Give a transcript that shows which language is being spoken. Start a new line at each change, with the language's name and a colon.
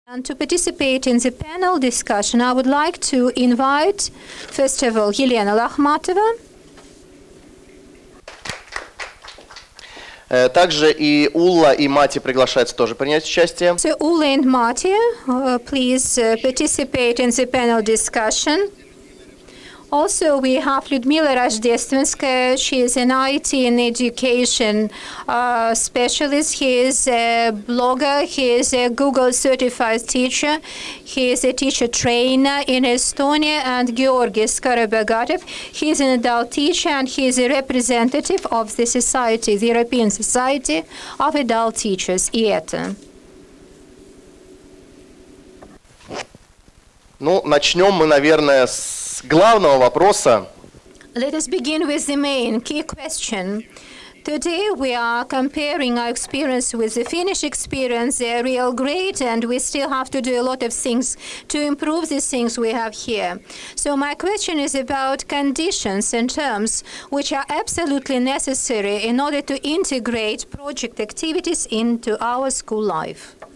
English: And to participate in the panel discussion, I would like to invite, first of all, Yelena Lakhmatova.
Russian: Также и Улла, и Мати приглашаются тоже принять участие.
English: So Ulla and Mati, please participate in the panel discussion. Also, we have Людмила Рождественская. She is an IT and education specialist. He is a blogger. He is a Google certified teacher. He is a teacher trainer in Estonia. And Georgis Karabagatov. He is an adult teacher and he is a representative of the society, the European Society of Adult Teachers, IETA.
Russian: Ну, начнем мы, наверное, с главного вопроса.
English: Let us begin with the main key question. Today we are comparing our experience with the Finnish experience. They are real great, and we still have to do a lot of things to improve the things we have here. So my question is about conditions and terms which are absolutely necessary in order to integrate project activities into our school life.